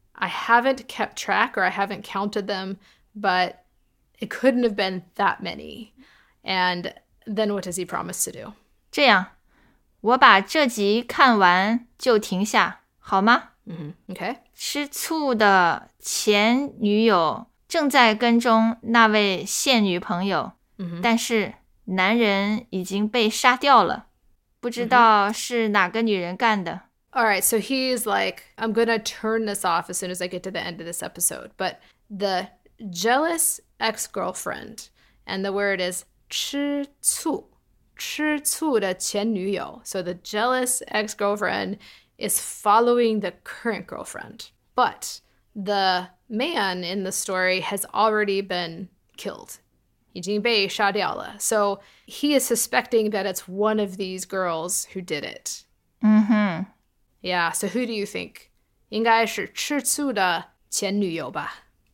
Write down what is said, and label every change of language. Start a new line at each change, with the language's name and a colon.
English: I haven't kept track or I haven't counted them, but it couldn't have been that many. And then what does he promise to do?
Chinese: 这样。我把这集看完就停下，好吗？
English: Mm-hmm. Okay.
Chinese: 吃醋的前女友正在跟踪那位现女朋友，但是男人已经被杀掉了，不知道是哪个女人干的。All
English: right, so he's like, I'm gonna turn this off as soon as I get to the end of this episode. But the jealous ex-girlfriend, and the word is 吃醋.
Chinese: 吃醋的前女友,
English: so the jealous ex-girlfriend is following the current girlfriend. But the man in the story has already been killed.
Chinese: 已经被杀掉了.
English: So he is suspecting that it's one of these girls who did it. Mm-hmm. Yeah, so who do you think?
Chinese: 应该是吃醋的前女友吧?